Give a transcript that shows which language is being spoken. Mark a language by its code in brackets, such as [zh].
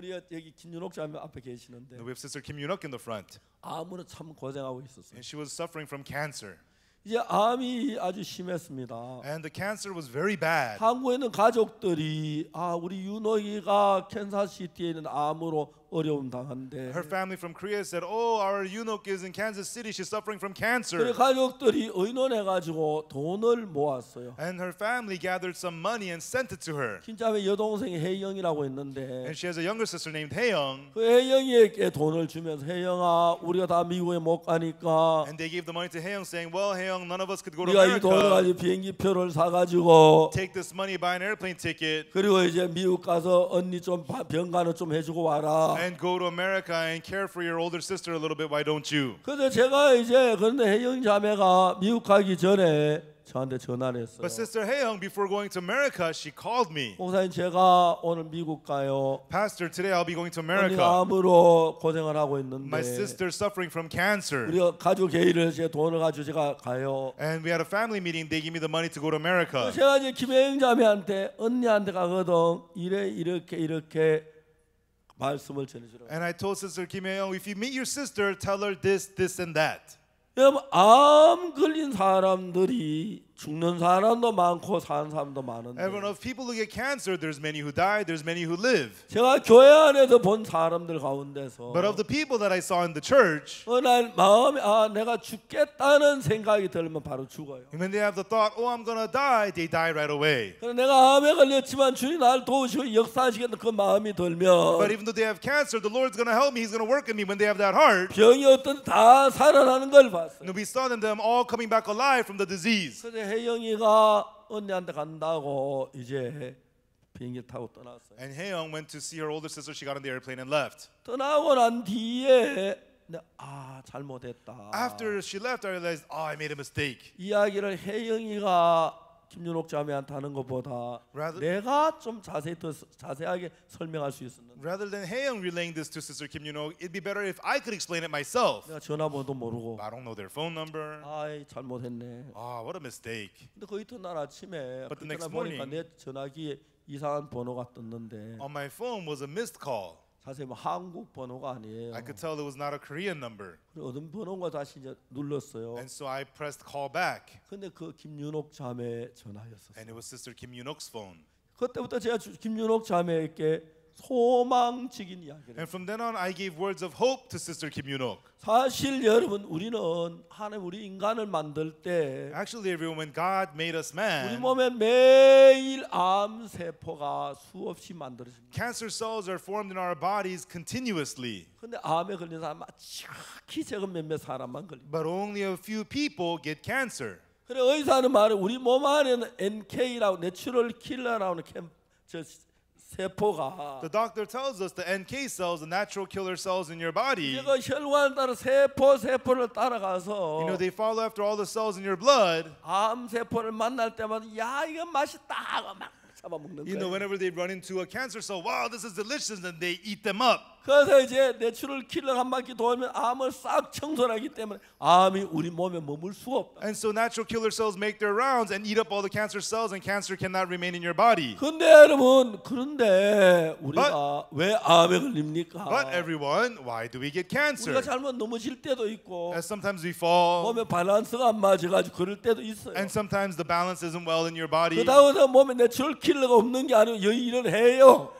[en] we have Sister Kim Yunok in the front, and she was suffering from cancer. And the cancer was very bad. [ko] 한국에는 가족들이 아 우리 윤호이가 캔자시티에 있는 암으로 어려움 당한대. [en] Her family from Korea said, "Oh, our Yunok is in Kansas City. She's suffering from cancer." [ko] 그래 가족들이 의논해가지고 돈을 모았어요. [en] And her family gathered some money and sent it to her. [ko] 김자매 여동생 혜영이라고 했는데. [en] And she has a younger sister named 혜영. [ko] 그 혜영이에게 돈을 주면서 혜영아, 우리가 다 미국에 못 가니까. [en] And they gave the money to 혜영, saying, "Well, 혜영, none of us could go to America." [ko] 이 돈을 가지고 비행기 표를 사가지고. [en] Take this money, buy an airplane ticket. [ko] 그리고 이제 미국 가서 언니 좀 병가는 좀 해주고 와라. [en] And go to America and care for your older sister a little bit. Why don't you? [ko] 근데 제가 이제 그런데 혜영 자매가 미국 가기 전에 저한테 전화를 했어요. [en] But Sister Hyeong, before going to America, she called me. [ko] 목사님 제가 오늘 미국 가요. [en] Pastor, today I'll be going to America. [ko] 언니가 암으로 고생을 하고 있는데. [en] My sister suffering from cancer. [ko] 우리 가족 회의를 제 돈을 가지고 제가 가요. [en] And we had a family meeting. They gave me the money to go to America. [ko] 제가 이제 김혜영 자매한테 언니한테 가거든 이래 이렇게 이렇게. [en] And I told Sister Kim Hye-young, if you meet your sister, tell her this, this, and that. [ko] 여러분, 암 걸린 사람들이 죽는 사람도 많고 사는 사람도 많은데. [en] Everyone of people who get cancer, there's many who die, there's many who live. [ko] 제가 교회 안에서 본 사람들 가운데서. [en] But of the people that I saw in the church. [ko] 오늘 마음에 아 내가 죽겠다는 생각이 들면 바로 죽어요. [en] When they have the thought, oh, I'm gonna die, they die right away. [ko] 내가 암에 걸렸지만 주님 날 도우시고 역사하시겠다 그 마음이 들면. [en] But even though they have cancer, the Lord's gonna help me. He's gonna work in me when they have that heart. [ko] 병이 어떤 다 살아나는 걸 봤어요. [en] And we saw them all coming back alive from the disease. [ko] 혜영이가 언니한테 간다고 이제 비행기 타고 떠났어요. [en] And Hye-young went to see her older sister. She got on the airplane and left. [ko] 떠나고 난 뒤에 아 잘못했다. [en] After she left, I realized, oh, I made a mistake. [ko] 이야기를 혜영이가 김윤옥 자매한테 하는 것보다 rather, 내가 좀 자세히 더 자세하게 설명할 수 있었는데. [en] Rather than Hye-young relaying this to Sister Kim Yun-ok, it'd be better if I could explain it myself. [ko] 내가 전화번호도 모르고. [en] I don't know their phone number. [ko] 아이 잘못했네. [en] Ah, what a mistake. [ko] 근데 그 이튿날 아침에 보니까 내 전화기 이상한 번호가 떴는데. [en] On my phone was a missed call. [ko] 사실 뭐 한국 번호가 아니에요. [en] I could tell it was not a Korean number. [ko] 어떤 번호가 다시 이제 눌렀어요. [en] And so I pressed call back. [ko] 근데 그 김윤옥 자매 전화였었어요. [en] And it was Sister Kim Yun-ok's phone. [ko] 그때부터 제가 김윤옥 자매에게 소망적인 이야기를. [en] And from then on, I gave words of hope to Sister Kim Yoon-ok. [ko] 사실 여러분 우리는 하나님 우리 인간을 만들 때 [en] Actually, everyone, when God made us man, [ko] 우리 몸에 매일 암 세포가 수없이 만들어집니다. [en] Cancer cells are formed in our bodies continuously. [ko] 근데 암에 걸린 사람 아주 적은 몇몇 사람만 걸립니다. [en] But only a few people get cancer. [ko] 그래 의사는 말해 우리 몸 안에는 NK라고 내추럴 킬러라고 하는 저 세포가 [en] The doctor tells us the NK cells, the natural killer cells in your body. [ko] 이거 혈관 따라 세포 세포를 따라가서 [en] You know they follow after all the cells in your blood. [ko] 암 세포를 만날 때마다 야 이거 맛있다 하고 막 잡아 먹는 거야. [en] You know whenever they run into a cancer cell, wow, this is delicious and they eat them up. [ko] 그래서 이제 내추럴 킬러 한 바퀴 돌면 암을 싹 청소하기 때문에 암이 우리 몸에 머물 수 없다. [en] And so natural killer cells make their rounds and eat up all the cancer cells and cancer cannot remain in your body. [ko] 근데 여러분, 그런데 우리가 왜 암에 걸립니까? [en] But everyone, why do we get cancer? [ko] 우리가 잘못 넘어질 때도 있고 [en] And sometimes we fall. [ko] 몸에 밸런스가 안 맞아가지고 그럴 때도 있어요. [en] And sometimes the balance isn't well in your body. [ko] 그다음에 몸에 내추럴 킬러가 없는 게 아니고 이런 해요.